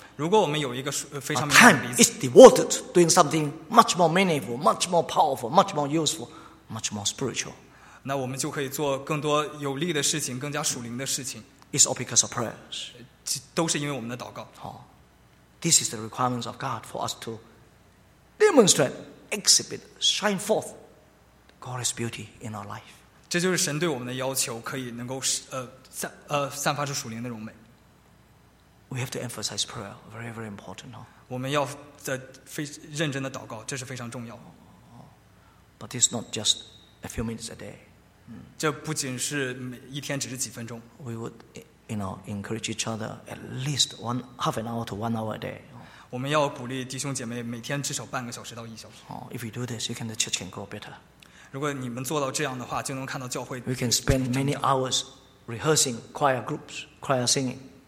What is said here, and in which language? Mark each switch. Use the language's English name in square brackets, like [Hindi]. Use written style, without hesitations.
[Chinese] 如果我们有一个非常敏感的鼻子, [English] time is devoted doing something much more meaningful, much more powerful, much more useful, much more spiritual. [Chinese] 那我们就可以做更多有力的事情，更加属灵的事情。 [English] It's all because of prayers. [Chinese] 都是因为我们的祷告。 [English] Oh, this is the requirements of God for us to demonstrate, exhibit, shine forth God's beauty in our life. [Chinese] 这就是神对我们的要求，可以能够散发出属灵的荣美。 [English] We have to emphasize prayer, very, very important. [Chinese] 我们要认真的祷告，这是非常重要。 [English] But it's not just a few minutes a day. [Chinese] 这不仅是一天只是几分钟。 [English] We would, you know, encourage each other at least one half an hour to 1 hour a day. [Chinese] 我们要鼓励弟兄姐妹每天至少半个小时到一小时。 [English] Oh, if you do this, you can the church can grow better. [Chinese] 如果你们做到这样的话，就能看到教会。 [English] We can spend many hours rehearsing choir groups, choir singing.